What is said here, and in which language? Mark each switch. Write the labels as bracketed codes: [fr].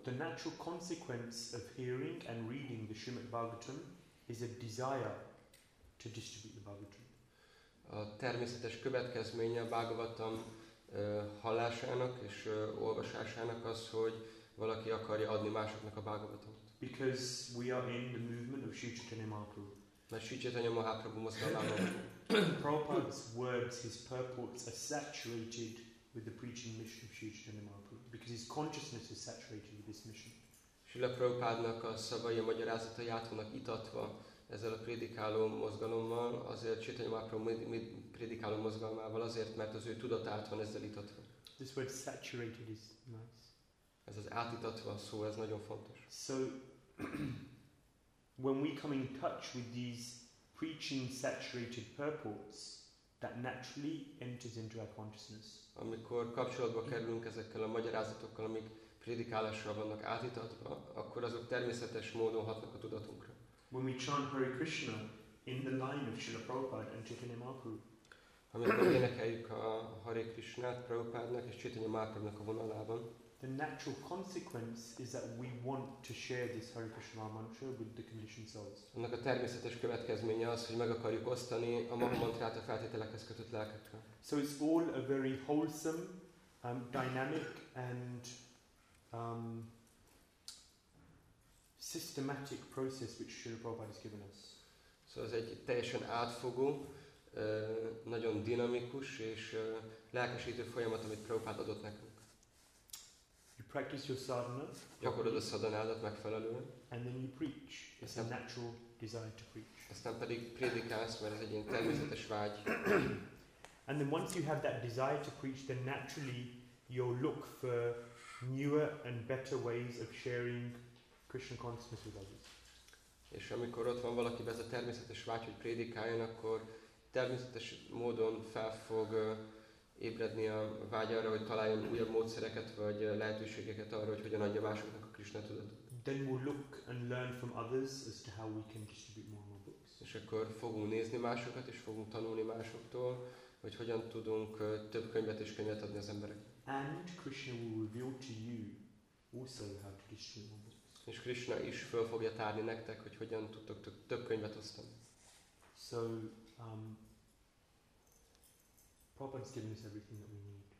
[en] The natural consequence of hearing and reading the Srimad Bhagavatam is a desire to distribute the Bhagavatam. [hu] A természetes következménye a Bhagavatam hallásának és olvasásának az, hogy valaki akarja adni másoknak a Bhagavatamot. [en] Because we are in the movement of Sri Chaitanya Mahaprabhu. [hu] Mert Sri Chaitanya Mahaprabhu mozgalmában. [en] Prabhupada's words, his purports are saturated with the preaching mission of Sri Chaitanya Mahaprabhu because his consciousness is saturated with this mission. [hu] Srila Prabhupádnak a szavai, a magyarázatai át vannak itatva ezzel a prédikáló mozgalommal, azért Chaitanya Mahaprabhu prédikáló mozgalmával, azért mert az ő tudatát van ezzel itatva. [en] This word saturated is nice. [hu] Ez az átitatva szó, ez nagyon fontos. [en] So when we come in touch with these preaching saturated purports that naturally enters into our consciousness. [hu] Amikor kapcsolatba kerülünk ezekkel a magyarázatokkal, amik prédikálással vannak átitatva, akkor azok természetes módon hatnak a tudatunkra. [en] When we chant Hare Krishna in the line of Srila Prabhupada and Chaitanya Mahaprabhu. [hu] Amikor énekeljük a Hare Krishnát Prabhupádnak és Chaitanya Mahaprabhunak a vonalában. [en] The natural consequence is that we want to share this Hare Krishna mantra with the conditioned souls. [hu] Annak a természetes következménye az, hogy meg akarjuk osztani a mantrát a feltételekhez kötött lelkekkel. [en] So it's all a very wholesome, dynamic and systematic process which Srila Prabhupada has given us. [hu] So ez egy teljesen átfogó, nagyon dinamikus és lelkesítő folyamat, amit Prabhupada adott nekünk. [en] Practice your sadhana. [hu] Gyakorod a szadanádat megfelelően. [en] And then you preach. It's a natural desire to preach. [hu] aztán pedig prédikálsz, mert ez egy ilyen természetes vágy. [en] And then once you have that desire to preach, then naturally you'll look for newer and better ways of sharing Krishna consciousness with others. [hu] És amikor ott van valaki ez a természetes vágy, hogy prédikáljon, akkor természetes módon fel fog ébredni a vágy arra, hogy találjon újabb módszereket vagy lehetőségeket arra, hogy hogyan adja másoknak a Krishna tudatot. [en] Then we'll look and learn from others as to how we can distribute more and more books. [hu] És akkor fogunk nézni másokat és fogunk tanulni másoktól, hogy hogyan tudunk több könyvet és könyvet adni az emberek. [en] And Krishna will reveal to you also how to distribute more books. [hu] És Krishna is föl fogja tárni nektek, hogy hogyan tudtok több könyvet osztani. [en] So, Prabhupada's given us everything that we need.